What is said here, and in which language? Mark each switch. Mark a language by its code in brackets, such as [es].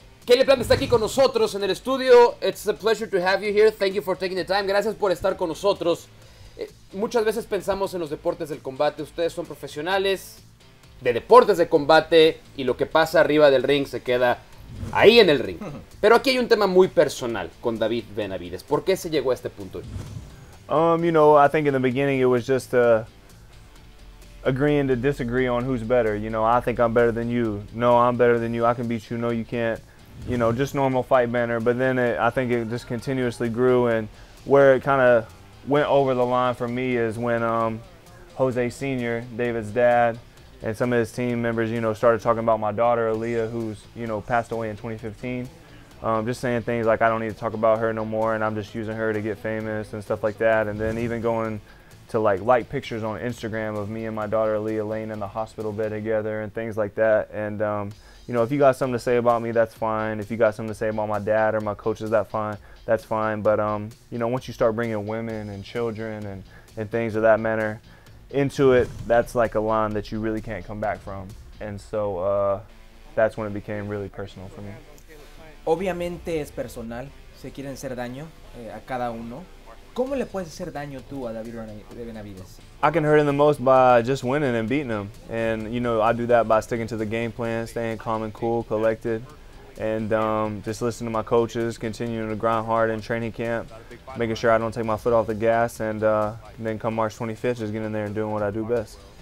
[es] Caleb Plant está aquí con nosotros en el estudio. [en] It's a pleasure to have you here. Thank you for taking the time. [es] Gracias por estar con nosotros. Muchas veces pensamos en los deportes del combate. Ustedes son profesionales de deportes de combate y lo que pasa arriba del ring se queda ahí en el ring. Pero aquí hay un tema muy personal con David Benavidez. ¿Por qué se llegó a este punto? [en] You know, I think in the beginning it was just agreeing to disagree on who's better. You know, I think I'm better than you. No, I'm better than you. I can beat you. No, you can't. You know, just normal fight banter. But then I think it just continuously grew, and where it kind of went over the line for me is when Jose Sr., David's dad, and some of his team members, you know, started talking about my daughter, Aaliyah, who's, you know, passed away in 2015. Just saying things like, I don't need to talk about her no more, and I'm just using her to get famous and stuff like that. And then even going to like pictures on Instagram of me and my daughter Aaliyah laying in the hospital bed together and things like that. And you know, if you got something to say about me, that's fine. If you got something to say about my dad or my coaches, that's fine. But you know, once you start bringing women and children and things of that manner into it, that's like a line that you really can't come back from. And so that's when it became really personal for me. [es] Obviamente es personal. Se quieren hacer daño a cada uno. ¿Cómo le puedes hacer daño tú a David Benavidez? [en] I can hurt him the most by just winning and beating him. And, you know, I do that by sticking to the game plan, staying calm and cool, collected, and just listening to my coaches, continuing to grind hard in training camp, making sure I don't take my foot off the gas, and then come March 25th, just getting in there and doing what I do best.